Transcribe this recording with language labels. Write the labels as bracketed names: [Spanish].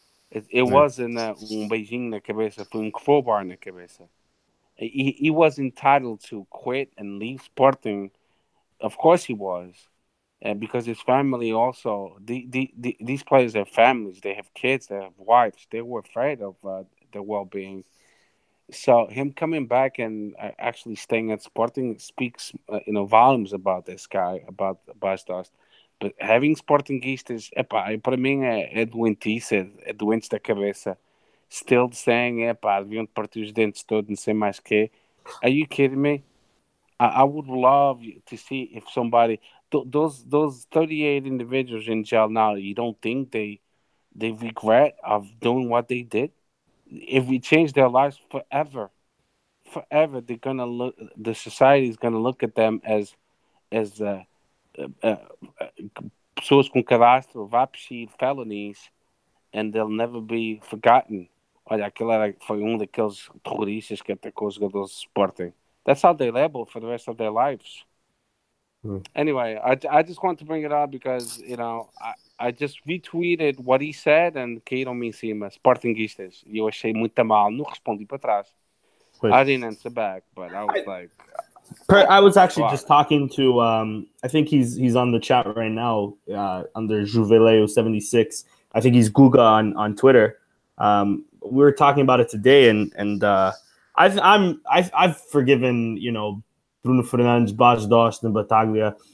[English] It wasn't [Portuguese] beijinho na cabeça, foi crowbar na cabeça. [English] He was entitled to quit and leave Sporting. Of course he was. And because his family also, these players have families, they have kids, they have wives, they were afraid of their well-being. So him coming back and actually staying at Sporting speaks, you know, volumes about this guy, about Bas Dost. But having [Portuguese] Sportingistas, epa, para mim é doentice, é doente da cabeça. [English] Still saying, [Portuguese] epa, deviam partir os dentes todos, não sei mais que. [English] Are you kidding me? I would love to see if somebody, those 38 individuals in jail now, you don't think they regret of doing what they did? If we change their lives forever, they're gonna look, the society is gonna look at them as [Portuguese] pessoas com cadastro, [English] VAPS, felonies, and they'll never be forgotten. [Portuguese] Olha, aquele era, foi daqueles terroristas que atacou os jogadores do Sporting. [English] That's how they label for the rest of their lives. Anyway, I just want to bring it up because, you know, I just retweeted what he said and [Portuguese] caíram me em cima, [English] Sportingistas. [Portuguese] E eu achei muito mal, não respondi para trás. Pois. [English] I didn't answer back, but I was I was actually just talking to, I think he's on the chat right now under Juveleo76. I think he's Guga on Twitter. We were talking about it today and I've forgiven, you know, Bruno Fernandes, Bas Dost, and Bataglia.